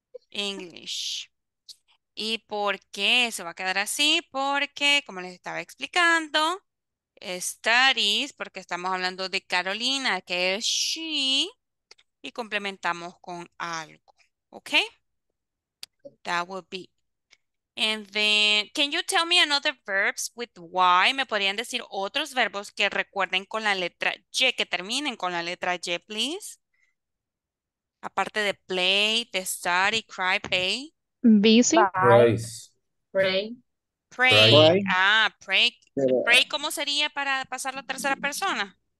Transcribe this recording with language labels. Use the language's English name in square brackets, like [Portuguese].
[English] English. [Spanish] ¿Y por qué se va a quedar así? Porque, como les estaba explicando, studies, porque estamos hablando de Carolina, que es she, y complementamos con algo. [English] ¿Ok? That would be. And then, can you tell me another verbs with Y? [Spanish] ¿Me podrían decir otros verbos que recuerden con la letra Y, que terminen con la letra Y, please? Aparte de play, de study, cry, pay. Busy. Pray. Ah, pray. Pray, ¿cómo sería para pasar la tercera persona?